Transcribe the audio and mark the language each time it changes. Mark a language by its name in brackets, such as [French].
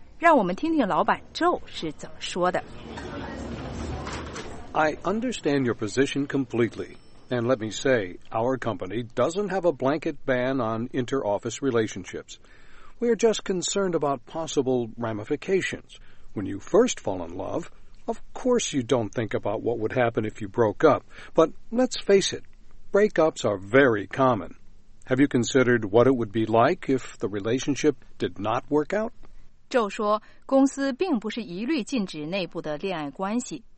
[Chinese] 让我们听听老板 Joe 是怎么说的。 [English] I understand your position completely, and let me say, our company doesn't have a blanket ban on inter-office relationships. We are just concerned about possible ramifications. When you first fall in love, of course you don't think about what would happen if you broke up. But let's face it, breakups are very common. Have you considered what it would be like if the relationship did not work out? [Chinese] Joe 说，公司并不是一律禁止内部的恋爱关系。